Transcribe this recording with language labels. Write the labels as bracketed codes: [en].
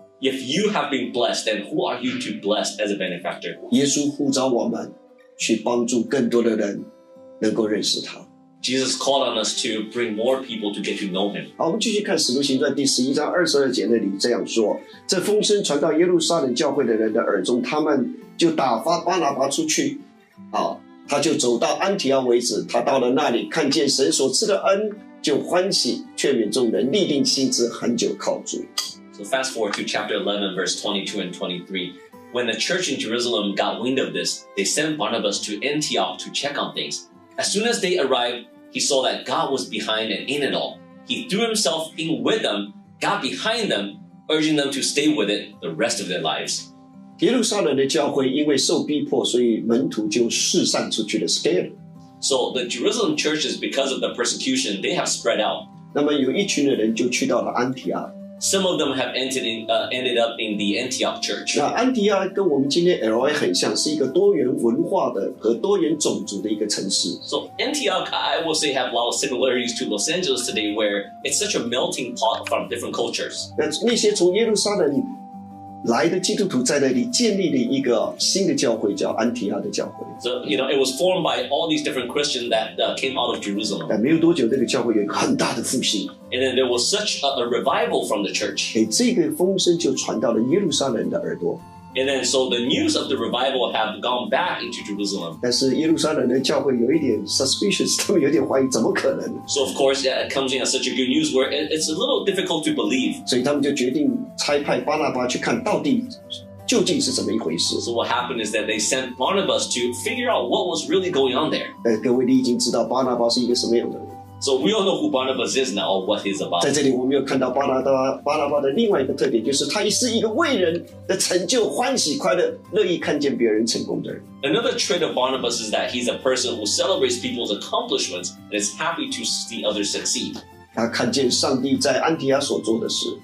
[en] If you have been blessed, then who are you to bless as a benefactor? [zh] 耶稣呼召我们去帮助更多的人能够认识他。 [en] Jesus called on us to bring more people to get to know him. [zh] 好，我们继续看《使徒行传》第十一章二十二节那里这样说：这风声传到耶路撒冷教会的人的耳中，他们就打发巴拿巴出去。好，他就走到安提阿为止。他到了那里，看见神所赐的恩，就欢喜，劝勉众人，立定心志，恒久靠主。 [en] So fast forward to chapter 11, verse 22 and 23. When the church in Jerusalem got wind of this, they sent Barnabas to Antioch to check on things. As soon as they arrived, he saw that God was behind and in it all. He threw himself in with them, got behind them, urging them to stay with it the rest of their lives. [zh] 耶路撒冷的教会因为受逼迫，所以门徒就四散出去了 ，scared. [en] So the Jerusalem churches, because of the persecution, they have spread out. [zh] 那么有一群的人就去到了安提阿。 [en] Some of them have ended up in the Antioch church. [zh] 那安提阿跟我们今天 LA 很像，是一个多元文化的和多元种族的一个城市。 [en] So Antioch, I will say, have a lot of similarities to Los Angeles today, where it's such a melting pot from different cultures. [zh] 那些从耶路撒冷来的基督徒在那里建立了一个新的教会，叫安提阿的教会。 [en] So you know, it was formed by all these different Christians that came out of Jerusalem. [zh] 但没有多久，这个教会有很大的复兴。 [en] And then there was such a revival from the church. [zh] 这个风声就传到了耶路撒冷的耳朵。 [en] And then so the news of the revival have gone back into Jerusalem. [zh] 但是耶路撒冷的教会有一点 suspicious， 他们有点怀疑，怎么可能？ [en] So of course, yeah, it comes in as such a good news where it's a little difficult to believe. [zh] 所以他们就决定差派巴拿巴去看到底究竟是怎么一回事。 [en] So what happened is that they sent Barnabas to figure out what was really going on there. [zh] 各位你已经知道巴拿巴是一个什么样的人。 [en] So we all know who Barnabas is now, or what he's about. [zh] 在这里我们又看到巴拿巴的另外一个特点，就是他是一个为人的成就欢喜快乐，乐意看见别人成功的人。 [en] Another trait of Barnabas is that he's a person who celebrates people's accomplishments and is happy to see others succeed. [zh] 他看见上帝在安提阿所做的事。